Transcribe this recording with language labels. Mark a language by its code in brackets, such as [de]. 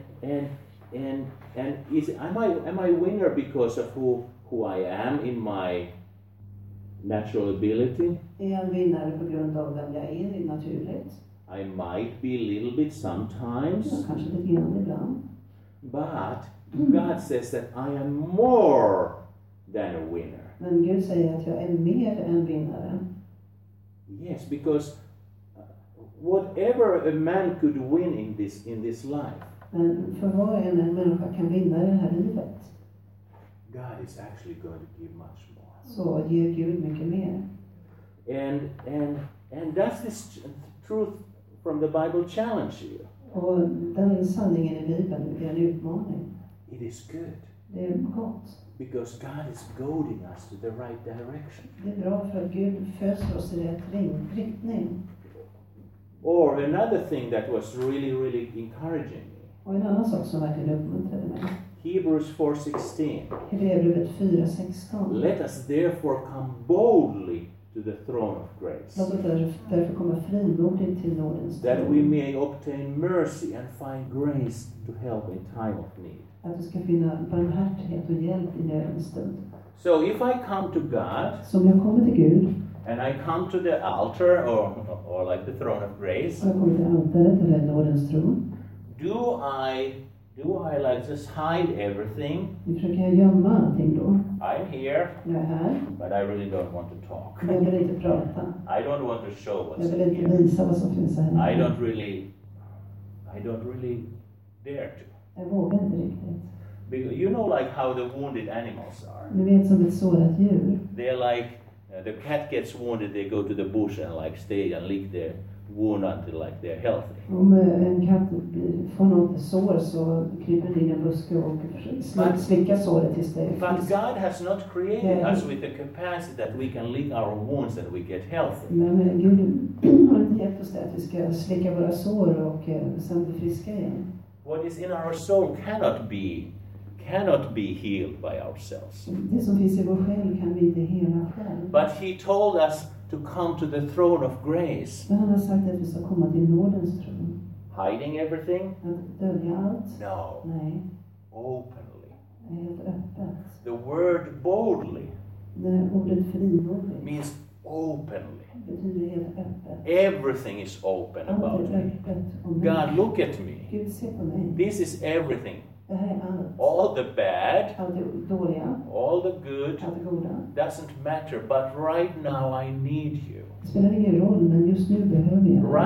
[en] And is am I winner because of who I am in my natural ability? [sv] Är jag vinnare på grund av vem jag är i naturligt? [en] I might be a little bit sometimes. [sv] Ja, kanske lite grann ibland. [en] But God says that I am more than a winner. [sv] Men Gud säger att jag är mer än vinnare. [en] Yes, because whatever a man could win in this life. [sv] Men för vad en människa kan vinna i det här livet. [en] God is actually going to give much more. [sv] Så ger Gud mycket mer. [en] And does this truth from the Bible challenge you? [sv] Och den sanningen i Bibeln är en utmaning. [en] It is good. [sv] Det är gott. [en] Because God is goading us to the right direction. [sv] Det är bra för att Gud föser oss i rätt riktning. [en] Or another thing that was really, really encouraging me. [sv] Och en annan sak som verkligen uppmuntrade mig. [en] Hebrews 4:16. [sv] Hebreerbrevet 4:16. [en] Let us therefore come boldly to the throne of grace. [sv] Därför kommer frimodig till nådens. [en] That we may obtain mercy and find grace to help in time of need. [sv] Att vi ska finna barmhärtighet och hjälp i nödens stund. [en] So if I come to God, [sv] som jag kommer till Gud, [en] and I come to the altar or like the throne of grace, [sv] jag kommer till altaret eller nådens tron, [en] do I like just hide everything? [sv] Försöker jag gömma allting då? [en] I'm here. [sv] Jag är här. [en] But I really don't want to talk. [sv] Jag vill inte prata. [en] I don't want to show what's in here. [sv] Jag vill inte visa vad som finns här. [en] I don't really dare to. [sv] Jag vågar inte riktigt. [en] Because you know like how the wounded animals are. [sv] Ni vet som ett sårat djur. [en] They're like the cat gets wounded, they go to the bush and like stay and lick their wound until like they're healthy. [sv] Om en katt får något sår så kryper den in i en buske och slickar såret tills det finns. [en] But God has not created us with the capacity that we can lick our wounds and we get healthy. [sv] Men Gud har inte gett oss det att vi ska slicka våra sår och sen bli friska igen. [en] What is in our soul cannot be healed by ourselves. [sv] Det som finns i vår själ kan vi inte hela själv. [en] But he told us to come to the throne of grace. [sv] Men han har sagt att vi ska komma till nådens tron. [en] Hiding everything? [sv] Att dölja allt? [en] No. [sv] Nej. [en] Openly. [sv] Helt öppet. [en] The word boldly. [sv] Det ordet frimodigt. [en] Means openly. [sv] Det betyder helt öppet. [en] Everything is open [sv] allt [en] about [sv] me. Öppet om mig. [en] God, look at me. [sv] Gud, se på mig. [en] This is everything. [sv] Det här är allt. [en] All the bad, [sv] allt det dåliga, [en] all the good, [sv] allt det goda, [en] doesn't matter, but right now I need you. [sv] Det spelar ingen roll, men just nu behöver jag.